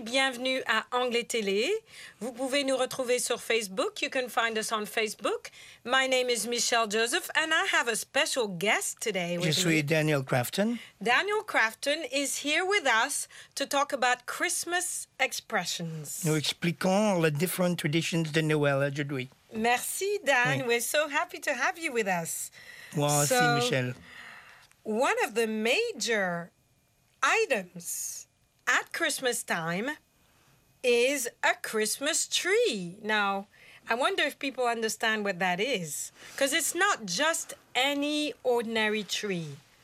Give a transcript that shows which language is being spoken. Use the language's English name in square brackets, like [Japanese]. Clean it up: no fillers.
[French] Bienvenue à Anglais Télé. Vous pouvez nous retrouver sur Facebook. [English] You can find us on Facebook. My name is Michelle Joseph, and I have a special guest today with [French] me. Je suis Daniel Crafton. [English] Daniel Crafton is here with us to talk about Christmas expressions. [French] Nous expliquons les différentes traditions de Noël aujourd'hui. Merci, Dan. Oui. [English] We're so happy to have you with us. [French] Moi aussi, [English] so, Michelle. One of the major items at Christmas time is a Christmas tree. Now, I wonder if people understand what that is, because it's not just any ordinary tree.